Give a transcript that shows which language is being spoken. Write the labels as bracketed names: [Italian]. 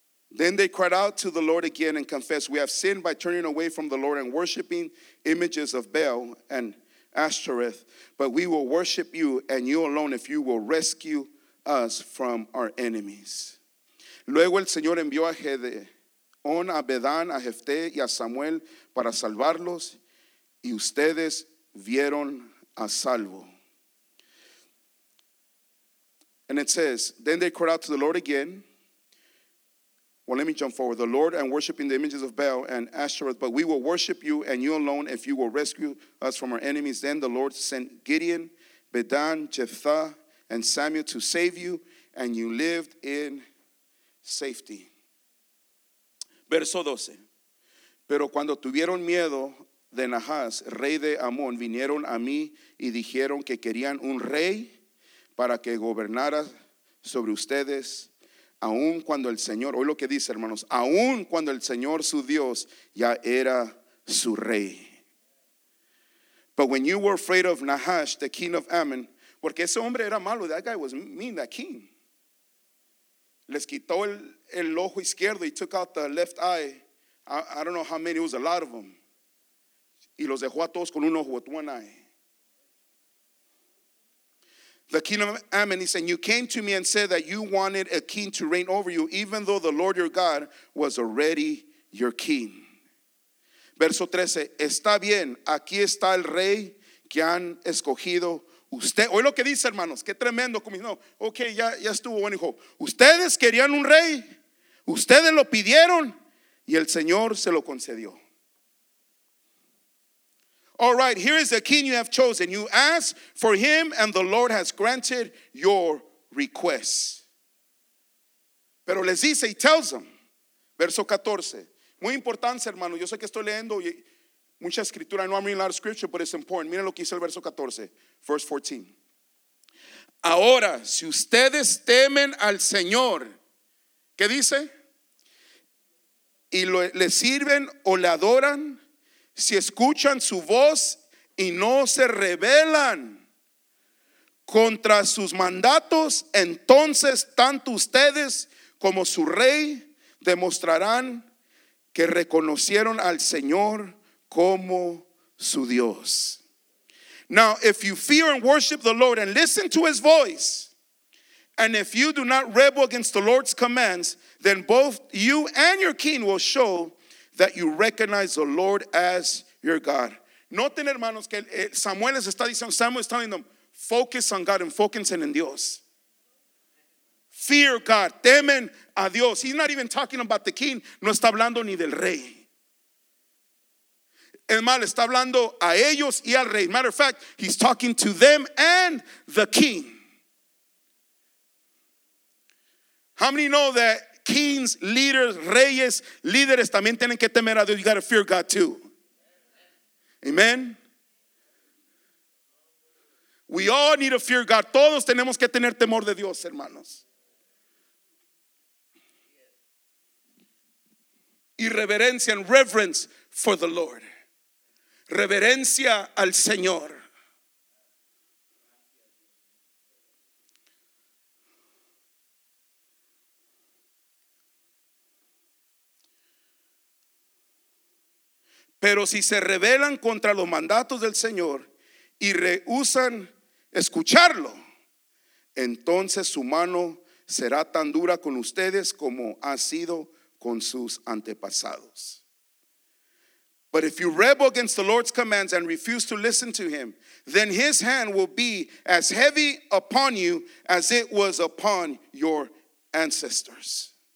[English] Then they cried out to the Lord again and confessed, we have sinned by turning away from the Lord and worshiping images of Baal and Ashtoreth, but we will worship you and you alone if you will rescue us from our enemies. [Spanish] Luego el Señor envió a Gedeón, a Bedán, a Jefté y a Samuel para salvarlos, y ustedes vieron a salvo. [English] And it says, then they cried out to the Lord again. Well, let me jump forward. The Lord and worshiping the images of Baal and Ashtoreth, but we will worship you and you alone if you will rescue us from our enemies. Then the Lord sent Gideon, Bedan, Jephthah, and Samuel to save you, and you lived in safety. [Spanish] Verso 12. Pero cuando tuvieron miedo de Nahas, rey de Amón, vinieron a mí y dijeron que querían un rey para que gobernara sobre ustedes, aun cuando el Señor, oye lo que dice, hermanos, aun cuando el Señor su Dios ya era su rey. [English] But when you were afraid of Nahash, the king of Ammon, [Spanish] porque ese hombre era malo, [English] that guy was mean, that king. [Spanish] Les quitó el ojo izquierdo, [English] he took out the left eye. I don't know how many, it was a lot of them. [Spanish] Y los dejó a todos con un ojo, [English] with one eye. The king of Ammon, he said, you came to me and said that you wanted a king to reign over you, even though the Lord your God was already your king. [Spanish] Verso 13, está bien, aquí está el rey que han escogido usted. Oye lo que dice, hermanos, qué tremendo. No, ok, ya estuvo bueno, hijo. Ustedes querían un rey, ustedes lo pidieron y el Señor se lo concedió. [English] All right, here is the king you have chosen. You ask for him and the Lord has granted your request. [Spanish] Pero les dice, [English] he tells them. [Spanish] Verso 14. Muy importante, hermano. Yo sé que estoy leyendo mucha escritura. [English] I know I'm reading a lot of scripture, but it's important. [Spanish] Miren lo que dice el verso 14. [English] Verse 14. [Spanish] Ahora, si ustedes temen al Señor, ¿qué dice? Y le sirven o le adoran, si escuchan su voz y no se rebelan contra sus mandatos, entonces tanto ustedes como su rey demostrarán que reconocieron al Señor como su Dios. [English] Now, if you fear and worship the Lord and listen to his voice And if you do not rebel against the Lord's commands, then both you and your king will show that you recognize the Lord as your God. [Spanish] Noten, hermanos, que Samuel les está diciendo, Samuel está diciendo, [English] focus on God, [Spanish] enfóquense en Dios. [English] Fear God, [Spanish] temen a Dios. [English] He's not even talking about the king, [Spanish] no está hablando ni del rey. Es más, está hablando a ellos y al rey. [English] Matter of fact, he's talking to them and the king. How many know that kings, leaders, [Spanish] reyes, líderes también tienen que temer a Dios? [English] You got to fear God too. Amen. We all need to fear God. [Spanish] Todos tenemos que tener temor de Dios, hermanos. Y reverencia, [English] and reverence for the Lord. [Spanish] Reverencia al Señor. Pero si se rebelan contra los mandatos del Señor y rehúsan escucharlo, entonces su mano será tan dura con ustedes como ha sido con sus antepasados. [English] But if you rebel against the Lord's commands and refuse to listen to him, then his hand will be as heavy upon you as it was upon your ancestors.